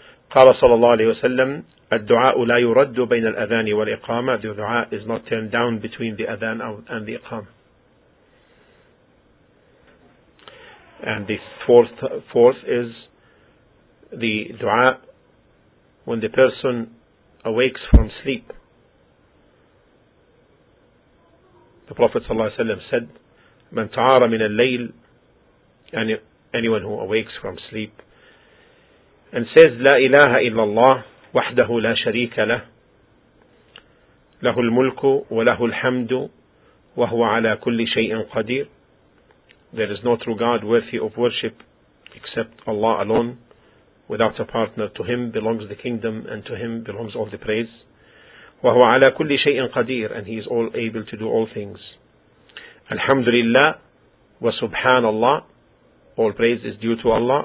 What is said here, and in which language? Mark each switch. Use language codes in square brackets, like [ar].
[ar] قال صلى الله عليه وسلم الدعاء لا يرد بين الأذان والإقامة. [en] The dua is not turned down between the adhan and the iqam. And the fourth is the dua when the person awakes from sleep. [ar] The Prophet صلى الله عليه وسلم said, من تعار من الليل, [en] anyone who awakes from sleep and says [ar] لا إله إلا الله وحده لا شريك له له الملك وله الحمد وهو على كل شيء قدير. [en] There is no true God worthy of worship except Allah alone. Without a partner, to him belongs the kingdom and to him belongs all the praise. [ar] وهو على كل شيء قدير, [en] and he is all able to do all things. [ar] الحمد لله وسبحان الله, [en] all praise is due to Allah.